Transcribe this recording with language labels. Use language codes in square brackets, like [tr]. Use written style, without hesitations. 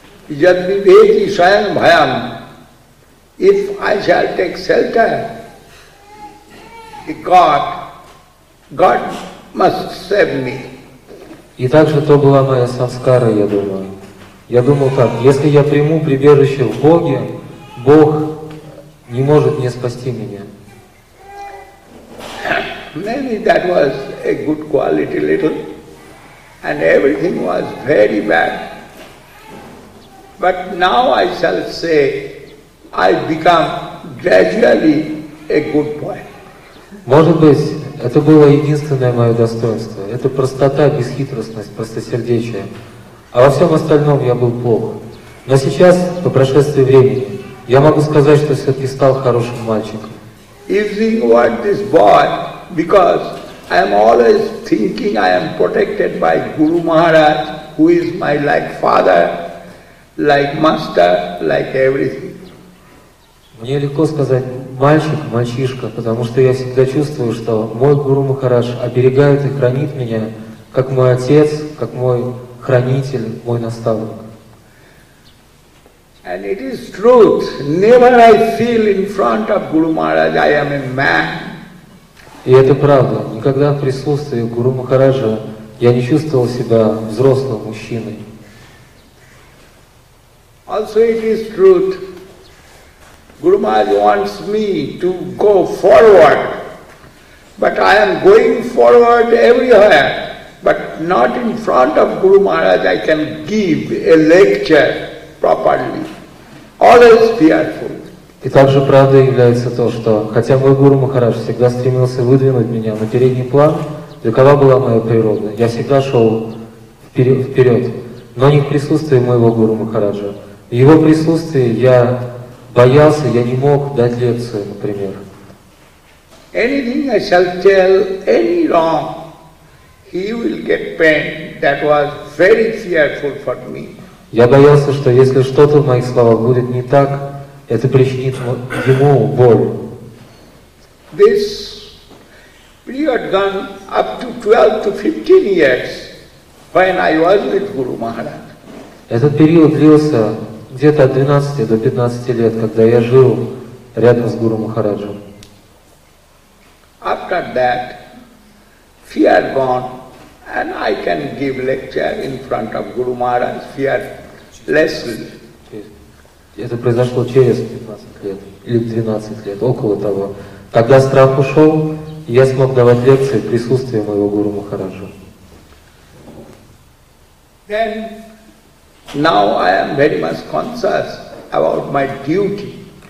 [sa] Yad viveki svayam bhayam. [en] If I shall take shelter, God must save me. [ru] И также то была моя санскара, я думаю. Я думал так, если я приму прибежище в Боге, Бог не может не спасти меня. [en] Maybe that was a good quality little, and everything was very bad. But now I shall say, I become gradually a good boy. [ru] Может быть, это было единственное мое достоинство. Это простота, бесхитростность, простосердечие. А во всем остальном я был плох. Но сейчас, по прошествии времени, я могу сказать, что все-таки стал хорошим мальчиком. [en] Using what this boy, because I am always thinking I am protected by Guru Maharaj, who is my like father. Like master, like everything. [ru] Мне легко сказать мальчик, мальчишка, потому что я всегда чувствую, что мой Гуру Махарадж оберегает и хранит меня, как мой отец, как мой хранитель, мой наставник. [en] And it is truth. Never I feel in front of Guru Maharaj I am a man. [ru] И это правда. Никогда в присутствии Гуру Махараджа я не чувствовал себя взрослым мужчиной. [en] Also it is truth. Guru Maharaj wants me to go forward. But I am going forward everywhere. But not in front of Guru Maharaj I can give a lecture properly. Always fearful. [ru] И также правдой является то, что хотя мой Гуру Махарадж всегда стремился выдвинуть меня на передний план, такова была моя природа, я всегда шел вперед, но не в присутствии моего Гуру Махараджа. В его присутствии я боялся, я не мог дать лекцию, например. [en] Anything I shall tell, any wrong, he will get pain. That was very fearful for me. [ru] Я боялся, что если что-то в моих словах будет не так, это причинит ему боль. [en] This period gone up to 12 to 15 years when I was with Guru Maharaj. [ru] Этот период длился где-то от 12 до 15 лет, когда я жил рядом с Гуру Махараджем. [en] After that, fear gone, and I can give lecture in front of Guru Maharaj, fearlessly. [ru] Это произошло через 15 лет, или 12 лет, около того. Когда страх ушел, я смог давать лекции в присутствии моего Гуру Махараджа. [en] Then, now I am very much conscious about my duty.